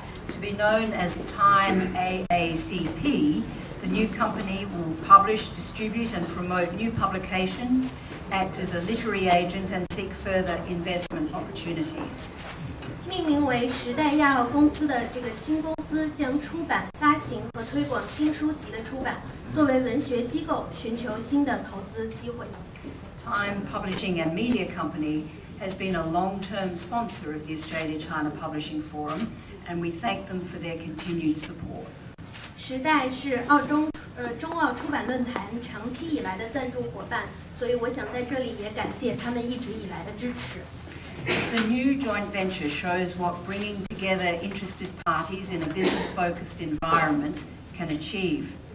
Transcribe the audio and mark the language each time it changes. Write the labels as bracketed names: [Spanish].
[English] To be known as Time AACP, the new company will publish, distribute and promote new publications, act as a literary agent and seek further investment opportunities. [Chinese] 命名为时代亚奥公司的这个新公司将出版、发行和推广新书籍的出版，作为文学机构寻求新的投资机会。 [English] Time Publishing and Media Company has been a long-term sponsor of the Australia-China Publishing Forum, and we thank them for their continued support. [Chinese] 时代是澳中中澳出版论坛长期以来的赞助伙伴，所以我想在这里也感谢他们一直以来的支持。 [English] The new joint venture shows what bringing together interested parties in a business-focused environment can achieve.